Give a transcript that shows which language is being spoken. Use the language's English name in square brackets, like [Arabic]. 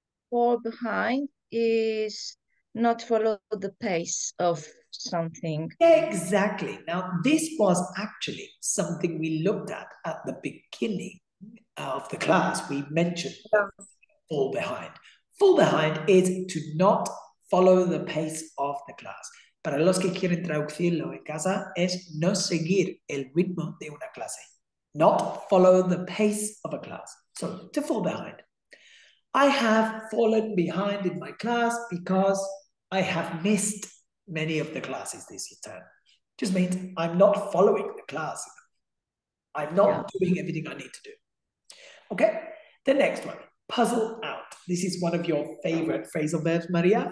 [English] Fall behind is not follow the pace of something. Exactly. Now, this was actually something we looked at the beginning of the class. We mentioned fall behind. Fall behind is to not follow the pace of the class. [Spanish] Para los que quieren traducirlo en casa, es no seguir el ritmo de una clase. [English] Not follow the pace of a class. So, to fall behind. I have fallen behind in my class because I have missed many of the classes this term. Just means I'm not following the class. I'm not doing everything I need to do. Okay, the next one, puzzle out. This is one of your favorite phrasal verbs, Maria.